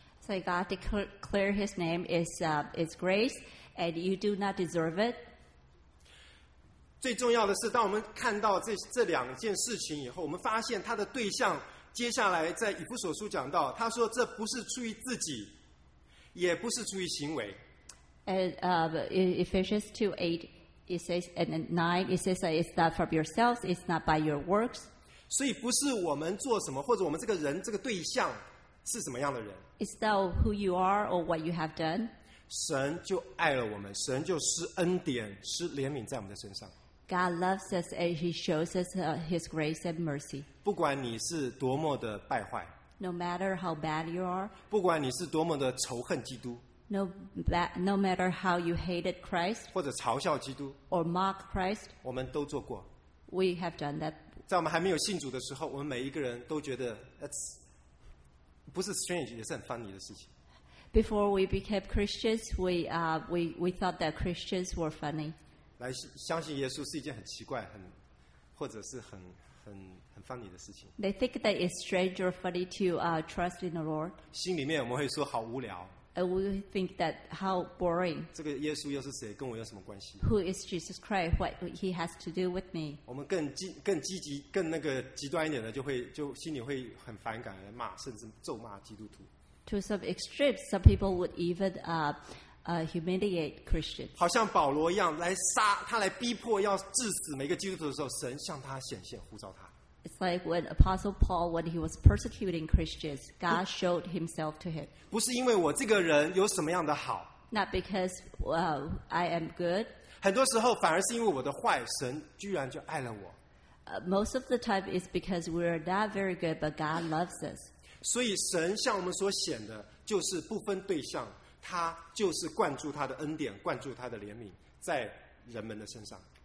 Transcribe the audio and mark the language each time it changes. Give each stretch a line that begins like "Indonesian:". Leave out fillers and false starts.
English: So God declare His name is grace, and you do not deserve it.
Chinese: 最重要的是，当我们看到这两件事情以后，我们发现他的对象，接下来在以弗所书讲到，他说这不是出于自己，也不是出于行为。
English: And Ephesians 2:8. It says, and at nine, it says that it's not from yourselves, it's not by your works.
Chinese: 所以不是我们做什么，或者我们这个人，这个对象是什么样的人。
English: It's not who you are or what you have done.
Chinese: 神就爱了我们，神就施恩典、施怜悯在我们的身上。
English: God loves us and He shows us His grace and mercy.
Chinese: 不管你是多么的败坏。
English: No matter how bad you are.
Chinese: 不管你是多么的仇恨基督。
English: No matter how you hated Christ.
Chinese: 或者嘲笑基督。
English: Or mock Christ.
Chinese: 我们都做过。
English: We have done that.
Chinese: 在我们还没有信主的时候，我们每一个人都觉得 that's 不是 strange， 也是很 funny 的事情。
English: Before we became Christians, we thought that Christians were funny.
Chinese: 来相信耶稣是一件很奇怪、很或者是很。很 funny 的事情。
English: They think that it's strange or funny to trust in the Lord.
Chinese: 心里面我们会说好无聊。
English: And we think that how boring.
Chinese: 这个耶稣又是谁？跟我有什么关系
English: ？Who is Jesus Christ? What he has to do with me?
Chinese: 我们更积极、更那个极端一点的，就心里会很反感，骂甚至咒骂基督徒。
English: To some extremes, some people would even humiliate Christians.
Chinese: 好像保罗一样来杀他，来逼迫要致死每个基督徒的时候，神向他显现呼召他。
English: It's like when Apostle Paul, when he was persecuting Christians, God showed himself to him.
Chinese: 不是因为我这个人有什么样的好。
English: Not because I am good.
Chinese: 很多时候反而是因为我的坏，神居然就爱了我。
English: Most of the time it's because we are not very good, but God loves us.
Chinese: 所以神向我们所显的就是不分对象。他就是灌注他的恩典，灌注他的怜悯在人们的身上。